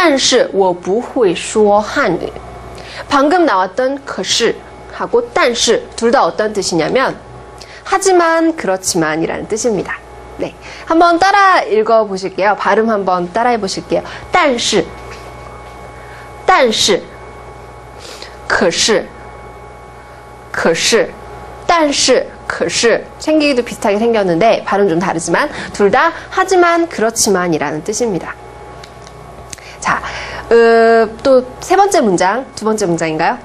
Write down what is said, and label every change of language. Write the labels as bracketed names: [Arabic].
[Chinese] 我住在北京,但是我不会说汉语. [Korean] 방금 나왔던 可是하고 但是 둘 다 어떤 뜻이냐면 하지만 그렇지만이라는 뜻입니다. 네, 한번 따라 읽어 보실게요. 발음 한번 따라해 보실게요. [Chinese] 但是,但是,可是,可是,但是. [Korean] 可是, 생기기도 비슷하게 생겼는데 발음 좀 다르지만 둘 다 하지만 그렇지만 이라는 뜻입니다. 자, 또 세 번째 문장, 두 번째 문장인가요?